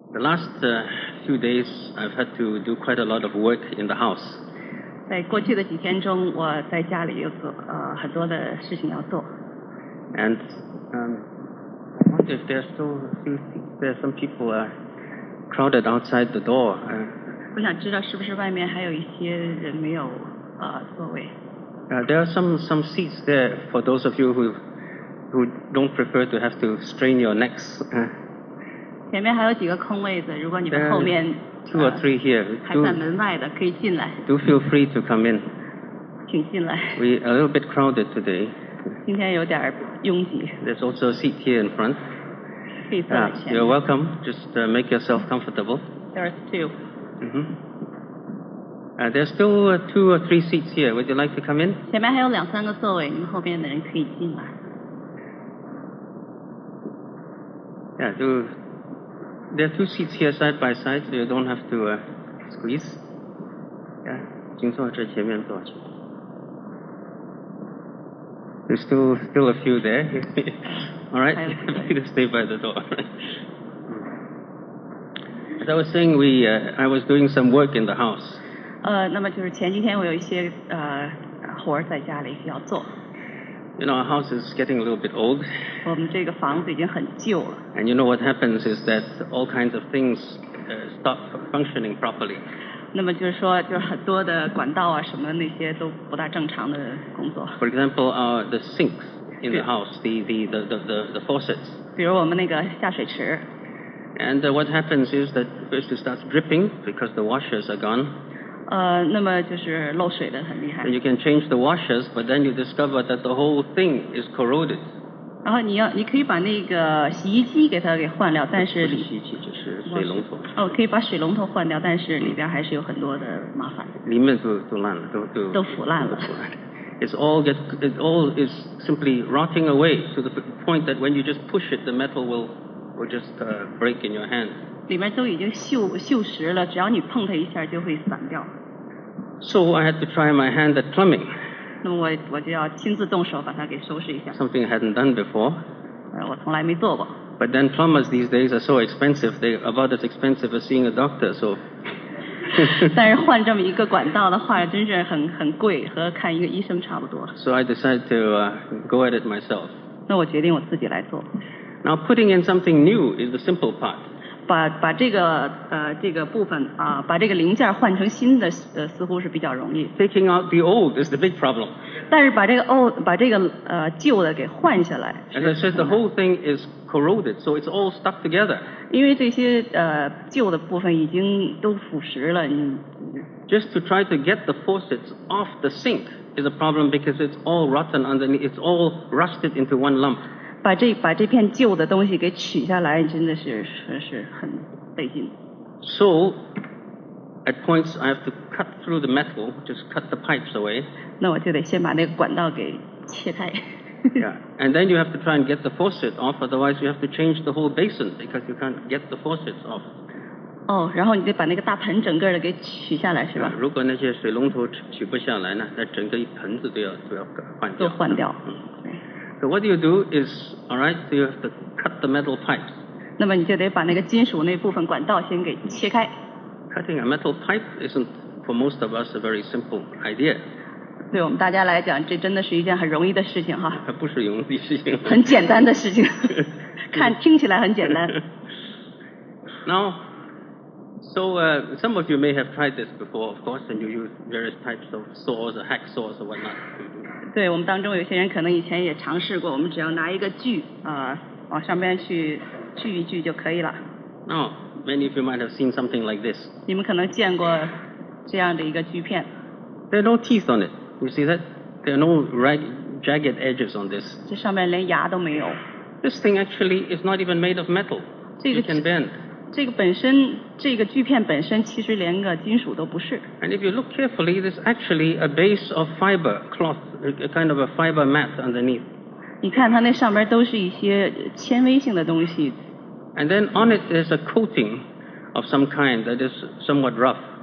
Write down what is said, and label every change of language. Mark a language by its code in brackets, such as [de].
[en] The last few days, I've had to do quite a lot of work in the house. [zh] 在过去的几天中，我在家里有做很多的事情要做。 [en] And I wonder if there's still there's some people crowded outside the door. [zh] 我想知道是不是外面还有一些人没有座位。 [en] There are some seats there for those of you who don't prefer to have to strain your necks. [zh] 前面还有几个空位子，如果你们后面 [en] two or three here [zh] 还在门外的可以进来。 [en] Do feel free to come in. [zh] 请进来。 [en] We are a little bit crowded today. [zh] 今天有点拥挤。 [en] There's also a seat here in front. [zh] 可以坐在前面。 [en] You're welcome. Just make yourself comfortable. There are two. There's still two or three seats here. Would you like to come in? [zh] 前面还有两三个座位，你们后面的人可以进来。 [en] Yeah, there are two seats here side by side, so you don't have to squeeze. [zh] Yeah, 请坐这前面坐。 [en] There's still a few there. All right, happy to stay by the door. As I was saying, I was doing some work in the house. [zh] 那么就是前几天我有一些活在家里要做。 [en] You know, our house is getting a little bit old. [zh] 我们这个房子已经很旧了。 [en] And you know what happens is that all kinds of things stop functioning properly. [zh] 那么就是说，就是很多的管道啊，什么那些都不大正常的工作。 [en] For example, the sinks in the house, the faucets. [zh] 比如我们那个下水池。 [en] And what happens is that first it starts dripping because the washers are gone. [zh] 那么就是漏水的很厉害。 [en] And you can change the washers, but then you discover that the whole thing is corroded. [zh] 然后你可以把那个洗衣机给它给换掉，但是不是洗衣机，就是水龙头。哦，可以把水龙头换掉，但是里边还是有很多的麻烦。里面都烂了，都腐烂了。 [en] It all is simply rotting away to the point that when you just push it, the metal will just break in your hand. [zh] 里面都已经锈蚀了，只要你碰它一下就会散掉。 [en] So I had to try my hand at plumbing. [zh] 那么我就要亲自动手把它给收拾一下。 [en] Something I hadn't done before. [zh] 我从来没做过。 [en] But then plumbers these days are so expensive. They are about as expensive as seeing a doctor. So. [zh] 但是换这么一个管道的话，真是很贵，和看一个医生差不多。 [en] So I decided to go at it myself. [zh] 那我决定我自己来做。 [en] Now putting in something new is the simple part. [zh] 把这个这个部分啊，把这个零件换成新的似乎是比较容易。 [en] Taking out the old is the big problem. [zh] 但是把这个旧的给换下来。 [en] As I said, the whole thing is corroded, so it's all stuck together. [zh] 因为这些旧的部分已经都腐蚀了。 [en] Just to try to get the faucets off the sink is a problem because it's all rotten underneath. It's all rusted into one lump. [zh] 把这片旧的东西给取下来，真的是很费劲。 [en] So, at points I have to cut through the metal, just cut the pipes away. [zh] 那我就得先把那个管道给切开。 [en] Yeah, and then you have to try and get the faucet off, otherwise you have to change the whole basin because you can't get the faucets off. [zh] 哦，然后你得把那个大盆整个的给取下来，是吧？如果那些水龙头取不下来呢，那整个一盆子都要换掉。都换掉。 [en] So what you do is, all right, so you have to cut the metal pipes. [zh] 那么你就得把那个金属那部分管道先给切开。 [en] Cutting a metal pipe isn't, for most of us, a very simple idea. [zh] 对我们大家来讲，这真的是一件很容易的事情哈。不是容易事情。很简单的事情，看听起来很简单。 [en] Now, so some of you may have tried this before, of course, and you use various types of saws or hacksaws or whatnot. [zh] 对我们当中有些人可能以前也尝试过，我们只要拿一个锯，往上边去锯一锯就可以了。 [en] Now, many of you might have seen something like this. [zh] 你们可能见过这样的一个锯片。 [en] There are no teeth on it. You see that? There are no jagged edges on this. [zh] 这上面连牙都没有。 [en] This thing actually is not even made of metal. [zh] 这个 [en] It can bend. [zh] 这个本身，这个锯片本身其实连个金属都不是。 [en] And if you look carefully, there's actually a base of fiber cloth. A kind of a fiber mat underneath. [zh] 你看它那上边都是一些纤维性的东西。 [en] And then on it there's a coating of some kind that is somewhat rough.